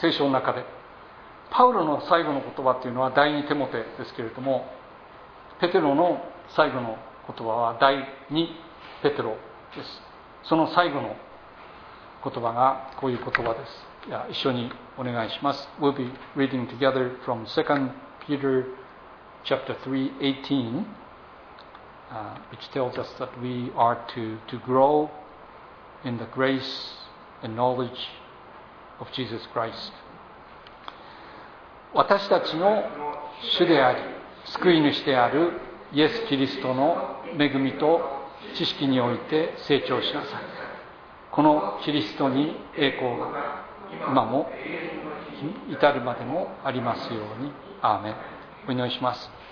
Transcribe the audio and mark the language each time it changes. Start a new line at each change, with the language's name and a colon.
Japanese: 聖書の中でパウロの最後の言葉というのは第二テモテですけれども、ペテロの最後の言葉は第二ペテロです。その最後の言葉がこういう言葉です。いや、一緒にお願いします。
English: We'll be reading together from 2 Peter chapter 3:18, which tells us that we are to grow in the grace and knowledge of Jesus Christ.
Japanese: 私たちの主であり救い主であるイエス・キリストの恵みと知識において成長しなさい。このキリストに栄光が今も至るまでもありますように。アーメン。お祈りします。